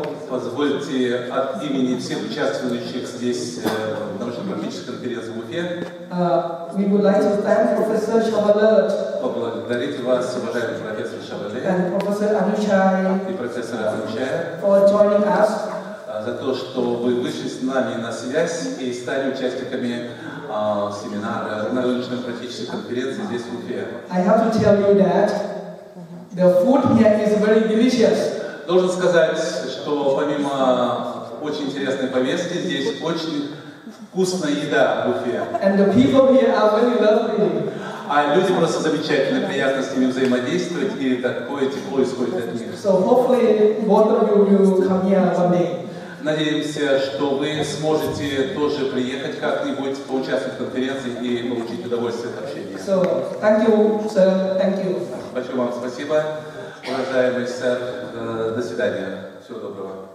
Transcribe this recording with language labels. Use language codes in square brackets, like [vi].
[ru] Позвольте от имени всех участвующих здесь в научно-практической конференции в Уфе... [en] We would like to thank Professor Chabalert... [ru] Поблагодарить вас, уважаемый профессор Chabalert... [en] And Professor Anuchai... [ru] И профессор Anuchai... [en] For joining us... [ru] За то, что вы вышли с нами на связь и стали участниками... семинары на научно-практической конференции здесь в Уфе. [en] I have to tell you that the food here is very delicious. [ru] Должен сказать, что помимо очень интересной повестки здесь очень вкусная еда в Уфе. [en] And the people here are very lovely. [ru] А люди просто замечательные, приятно с ними взаимодействовать и такое тепло исходит от них. [en] So hopefully both of you will come here one day. [ru] Надеемся, что вы сможете тоже приехать как-нибудь, поучаствовать в конференции и получить удовольствие от общения. [en] So, thank you, sir. Thank you. [ru] Большое вам спасибо, уважаемый сэр. До свидания. Всего доброго.